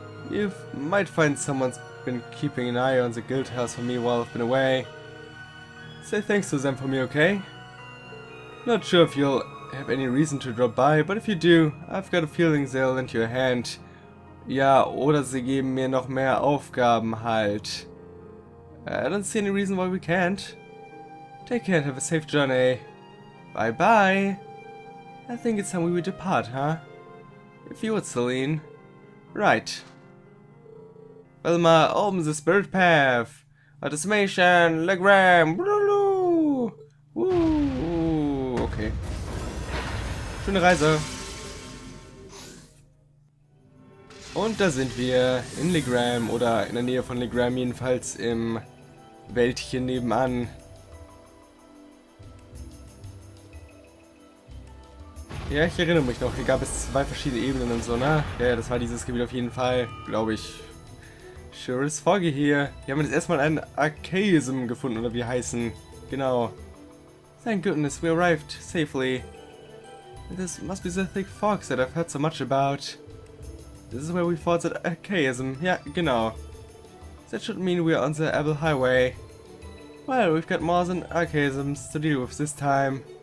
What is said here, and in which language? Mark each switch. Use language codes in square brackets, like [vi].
[en] You might find someone's been keeping an eye on the guild house for me while I've been away. Say thanks to them for me, okay? Not sure if you'll have any reason to drop by, but if you do, I've got a feeling they'll lend you a hand. [de] Ja, oder sie geben mir noch mehr Aufgaben halt. [en] I don't see any reason why we can't. Take care and have a safe journey. Bye bye. I think it's time we depart, huh? If you would, Celine. Right. Well, my opens the spirit path. Automation, Legram, Blulu. Woo. Okay. [de] Schöne Reise. Und da sind wir in Legram oder in der Nähe von Legram, jedenfalls im Wäldchen nebenan. Ja, ich erinnere mich noch, hier gab es zwei verschiedene Ebenen und so, ne? Ja, das war dieses Gebiet auf jeden Fall, glaube ich. [en] Sure is foggy [de] hier. Wir haben jetzt erstmal einen Archaism gefunden, oder wie heißen. Genau. [en] Thank goodness, we arrived safely. This must be the thick fog that I've heard so much about. This is where we fought that Archaism. [de] Ja, genau. [en] That should mean we are on the Abel Highway. Well, we've got more than Archaisms to deal with this time.